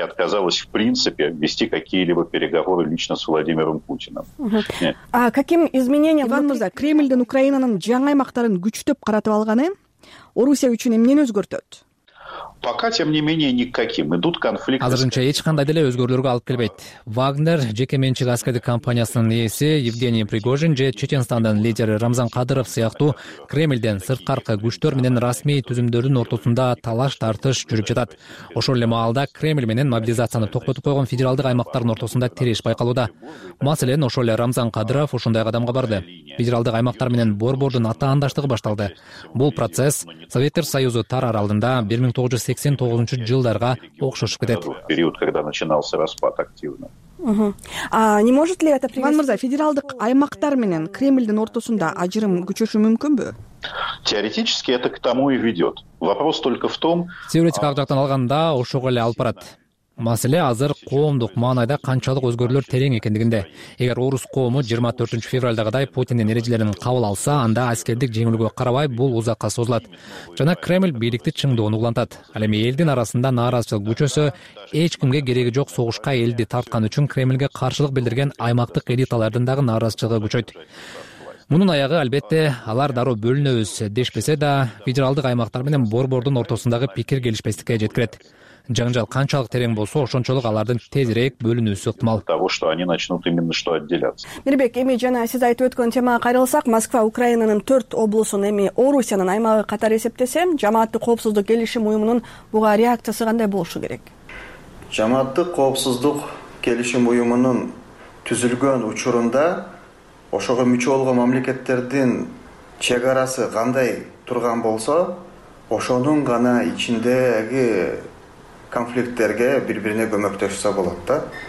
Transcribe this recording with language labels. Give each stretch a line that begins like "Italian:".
Russian: Отказалась в принципе вести какие-либо переговоры лично с Владимиром Путиным. А каким изменениям
Kyrgyz: Иван Муза Кремлден Украинанын жаңы аймактарын күчтөп каратып алганы Орусия үчүн эмнени өзгөртөт?
Russian: Пока, тем не менее, никаким. Идут конфликты.
Kyrgyz: Азырынча эч кандай деле өзгөрүүлөргө алып келбейт. Вагнер, жеке менчик аскердик компаниясынын ээси Евгений Пригожин же Чеченстандын лидери Рамзан Кадыров сыяктуу Кремлден сырткаркы күчтөр менен расмий түзүмдөрдүн ортосунда талаш тартыш жүрүп жатат. Ошол эле маалда Кремль менен мобилизацияны токтотуп койгон федералдык аймактардын ортосунда тиреш байкалууда. Маселен, ошол эле Рамзан Кадыров ушундай кадамга барды. Федералдык аймактар менен борбордун атаандаштыгы башталды. Бул процесс Советтер Союзу тарар алдында 1989-жылдарга окшошуп кетет.
Russian: Период, когда начинался распад активно. А не может ли это привести?
Kyrgyz: Иван Мырза, федералдык аймактар менен Кремлдин ортосунда ажырым күчөшү мүмкүнбү?
Russian: Теоретически это к тому и ведет. Вопрос только в том.
Kyrgyz: Теоретикалык жактан алганда ошого эле алып барат. Маселе азыр коомдук маанайда канчалык өзгөрүүлөр терең экендигинде. Эгер орус коому 24 февралдагыдай Путиндин эрежелерин кабыл алса, анда аскердик жеңилүүгө карабай бул узакка созулат. Жана Кремль бийликти чыңдоону улантат. Ал эми элдин арасында нааразычылык күчөсө, эч кимге кереги жок согушка элди тарткан үчүн Кремлге каршылык билдирген аймактык элиталардын дагы нааразычылыгы күчөйт. Мунун аягы албетте алар дароо бөлүнөбүз дешпесе да, федералдык аймактар менен борбордун ортосундагы пикир келишпестикке жеткирет. Жаңжал канчалык терең болсо, ошончолук алардын тезирээк бөлүнүүсү ыктымал.
Russian: Того, что они начнут именно что отделяться.
Kyrgyz: Мирбек, эми жана сиз айтып өткөн темага кайрылсак, Москва Украинанын 4 облусун эми Орусиянын аймагы катары эсептесе, жамааттык коопсуздук келишим уюмунун буга реакциясы кандай болушу керек? Жамааттык коопсуздук келишим уюмунун түзүлгөн учурунда ошого мүчө болгон мамлекеттердин чек арасы кандай турган болсо, ошонун гана ичиндеги конфликттерге бири бирине көмөктөшсө болот да.